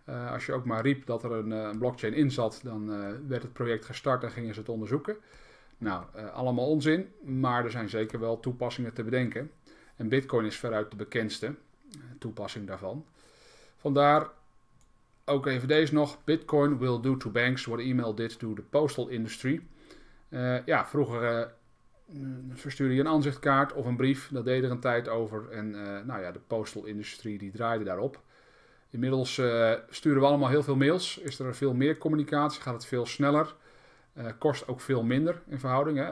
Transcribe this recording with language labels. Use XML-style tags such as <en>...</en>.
<nl>Als je ook maar riep dat er een blockchain in zat, dan werd het project gestart en gingen ze het onderzoeken. Nou, allemaal onzin, maar er zijn zeker wel toepassingen te bedenken. En Bitcoin is veruit de bekendste toepassing daarvan. Vandaar ook even deze nog.</nl> <en>Bitcoin will do to banks what email did to the postal industry.</en> <nl>Vroeger verstuurde je een aanzichtkaart of een brief, dat deed er een tijd over en de postal industrie die draaide daarop. Inmiddels sturen we allemaal heel veel mails, is er veel meer communicatie, gaat het veel sneller, kost ook veel minder in verhouding. Hè?</nl>